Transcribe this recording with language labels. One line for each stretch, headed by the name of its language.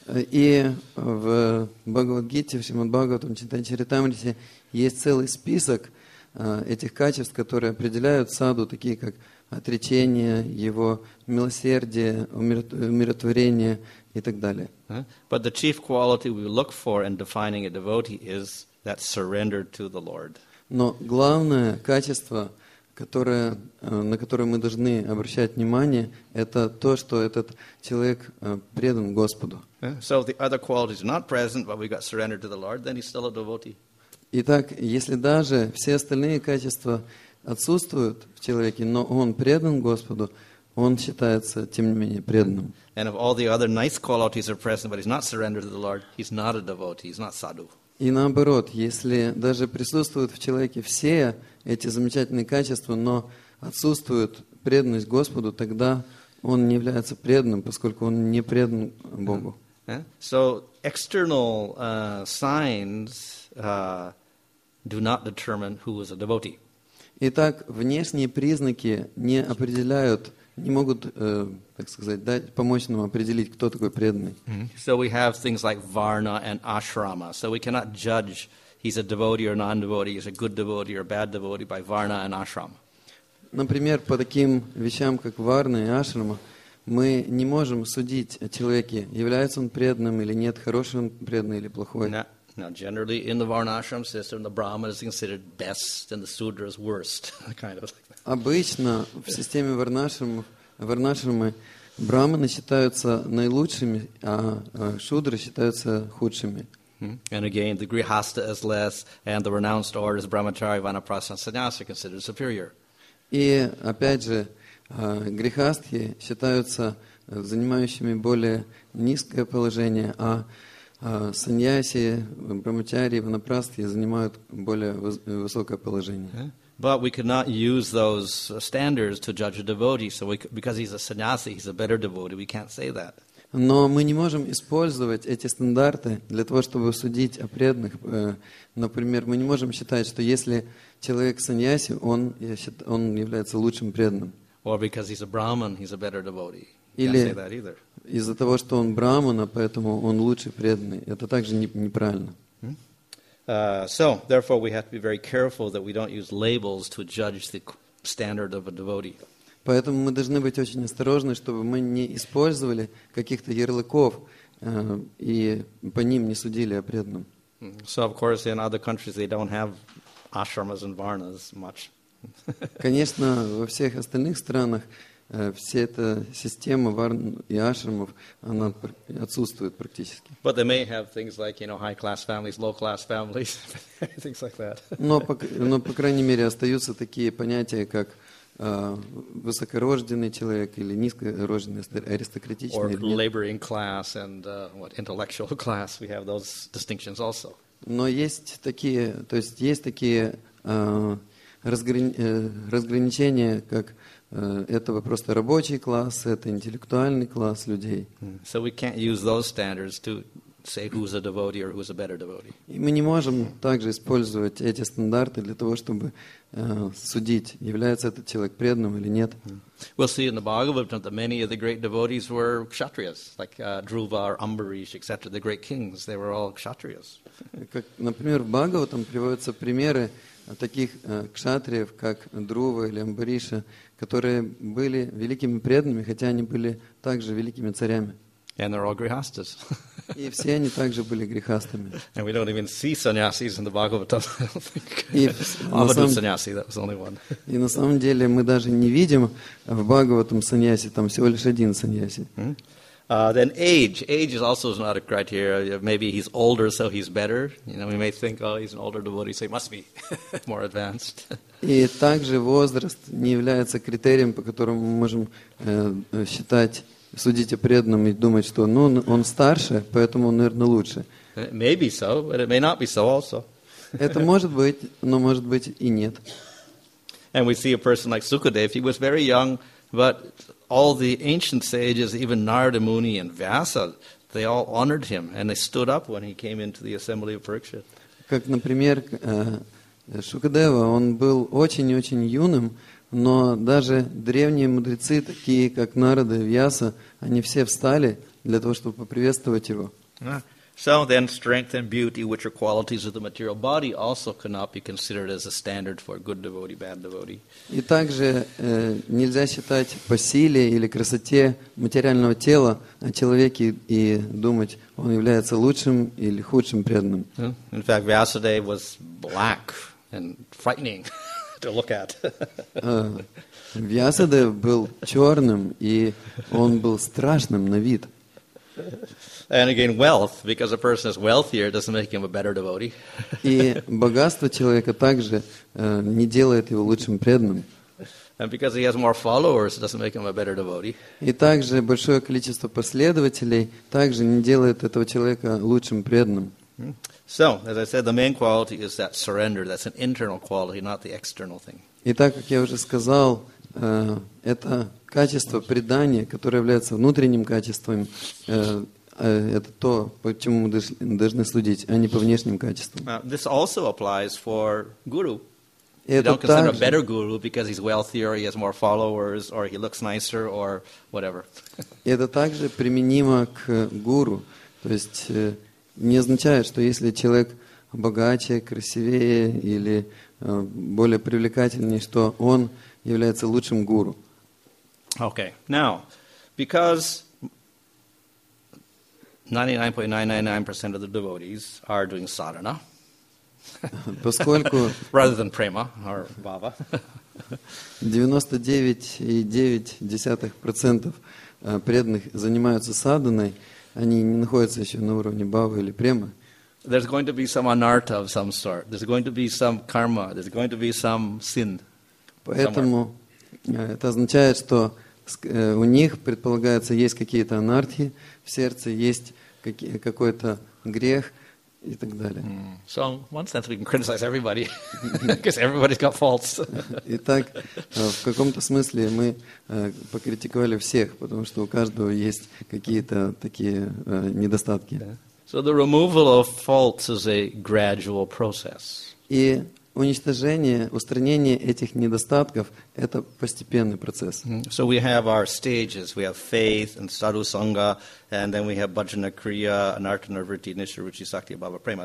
Russian: И в Бхагавад Гите, в Шримад Бхагаватам, Чайтанья Чаритамрите есть целый список этих качеств, которые определяют саду, такие как отречение, его милосердие, умиротворение и так далее.
English: But the chief quality we look for in defining a devotee is that surrender to the Lord.
Russian: Но главное качество, которое, на которое мы должны обращать внимание, это то, что этот человек предан Господу.
English: So if the other qualities are not present, but we got surrendered to the Lord, then he's still a devotee.
Russian: Итак, если даже все остальные качества отсутствуют в человеке, но он предан Господу, он считается, тем не менее, преданным.
English: And if all the other nice qualities are present, but he's not surrendered to the Lord, he's not a devotee, he's not sadhu.
Russian: И наоборот, если даже присутствуют в человеке все эти замечательные качества, но отсутствует преданность Господу, тогда он не является преданным, поскольку он не предан Богу.
English: So external signs do not determine who is a devotee.
Russian: Итак, внешние признаки не определяют, не могут, так сказать, дать, помочь нам определить, кто такой преданный.
English: So we have things like varna and ashrama. So we cannot judge he's a devotee or non-devotee, he's a good devotee or a bad devotee by varna and ashrama.
Russian: Например, по таким вещам, как варна и ашрама, мы не можем судить о человеке, является он преданным или нет, хороший он преданный или плохой.
English: Now, generally, in the varna ashram system, the brahmana is considered best and the sudra is worst, kind of like.
Russian: Обычно в системе варнашрамы брахманы считаются наилучшими, а шудры считаются худшими.
English: And again, the grihastha is less, and the renounced order is brahmachari, vanaprastha, sannyasa considered superior.
Russian: И опять же, грихастхи считаются занимающими более низкое положение, а саньяси, брахмачари, ванапрастхи занимают более высокое положение.
English: But we cannot use those standards to judge a devotee. So because he's a sannyasi, he's a better devotee. We can't say that.
Russian: Но мы не можем использовать эти стандарты для того, чтобы судить о преданных. Например, мы не можем считать, что если человек саньяси, он является лучшим преданным.
English: Or because he's a brahman, he's a better devotee.
Russian: Или
English: can't say that either.
Russian: Из-за того, что он брахмана, поэтому он лучший преданный. Это также неправильно.
English: So, therefore, we have to be very careful that we don't use labels to judge the standard of a devotee.
Russian: Поэтому мы должны быть очень осторожны, чтобы мы не использовали каких-то ярлыков и по ним не судили о преданном.
English: So, of course, in other countries they don't have ashramas and varnas much.
Russian: Конечно, во всех остальных странах вся эта система варн и ашрамов, она отсутствует практически.
English: But they may have things like, you know, high-class families, low-class families, things like that.
Russian: Но, по крайней мере, остаются такие понятия, как высокорожденный человек или низкорожденный, аристократичный.
English: Or laboring class and intellectual class. We have those distinctions also.
Russian: Но есть такие, то есть есть такие разграничения, как это просто рабочий класс, это интеллектуальный класс людей.
English: So we can't use those standards to say who's a devotee or who's a better devotee.
Russian: И мы не можем также использовать эти стандарты для того, чтобы судить, является этот человек преданным или нет.
English: We'll see in the Bhagavatam that many of the great devotees were kshatriyas, like Dhruva, Ambarish, etc., the great kings, they were all kshatriyas.
Russian: Как, например, в Бхагаватам приводятся примеры таких кшатриев, как Друва или Амбариша, которые были великими преданными, хотя они были также великими царями.
English: And they're all grihasthas.
Russian: И все они также были грихастами.
English: And we don't even see sannyasis in the Bhagavatam, I don't think. Avadhu sannyasi, that was only one.
Russian: И на самом деле мы даже не видим в Бхагаватам сannyasi, там всего лишь один сannyasi.
English: Then age. Age is also not a criteria. Maybe he's older, so he's better. You know, we may think, oh, he's an older devotee, so he must be more advanced.
Russian: И также возраст не является критерием, по которому мы можем считать, судить о преданном и думать, что ну, он старше, поэтому он, наверное, лучше.
English: Maybe so, but it may not be so also.
Russian: Это может быть, но может быть и нет.
English: And we see a person like Sukadev. He was very young, but all the ancient sages, even Narada Muni and Vyasa, they all honored him and they stood up when he came into the assembly of Parikshit.
Russian: Как, например, Шукадева, он был очень-очень юным, но даже древние мудрецы, такие как Нарада и Вьяса, они все встали для того, чтобы поприветствовать его.
English: So then strength and beauty, which are qualities of the material body, also cannot be considered as a standard for a good devotee, bad devotee.
Russian: И также нельзя считать по силе или красоте материального тела о человеке и думать, он является лучшим или худшим преданным.
English: In fact, Vyasadeva was black and frightening to look at.
Russian: Vyasadeva был черным, и он был страшным на вид.
English: And again, wealth, because a person is wealthier, doesn't make him a better devotee.
Russian: И богатство человека также не делает его лучшим преданным.
English: And because he has more followers, doesn't make him a better devotee.
Russian: И также большое количество последователей также не делает этого человека лучшим преданным.
English: So, as I said, the main quality is that surrender. That's an internal quality, not the external thing.
Russian: И так как я уже сказал, это качество предания, которое является внутренним качеством, это то, по чему мы должны судить, а не по внешним качествам.
English: This also applies for guru. You don't consider a better guru because he's wealthier, he has more followers, or he looks nicer, or whatever.
Russian: Это также применимо к гуру. То есть не означает, что если человек богаче, красивее или более привлекательнее, что он является лучшим гуру.
English: Okay. Now, because 99.999% of the devotees are doing sadhana,
Russian: поскольку
English: rather than prema or bhava,
Russian: 99.9% преданных занимаются садханой, они не находятся еще на уровне бхавы или према.
English: There's going to be some anartha of some sort. There's going to be some karma. There's going to be some sin.
Russian: Поэтому это означает, что у них предполагается есть какие-то анартхи в сердце, есть какой-то грех и так далее.
English: So, in one sense, we can criticize everybody, because everybody's got faults.
Russian: Итак, в каком-то смысле мы покритиковали всех, потому что у каждого есть какие-то такие недостатки.
English: So the removal of faults is a gradual process.
Russian: И уничтожение, устранение этих недостатков – это постепенный процесс.
English: So we have our stages. We have faith and sadhu sangha, and then we have bhajana kriya, anartha nirvritti, nishtha ruchi, sakti, bhava prema.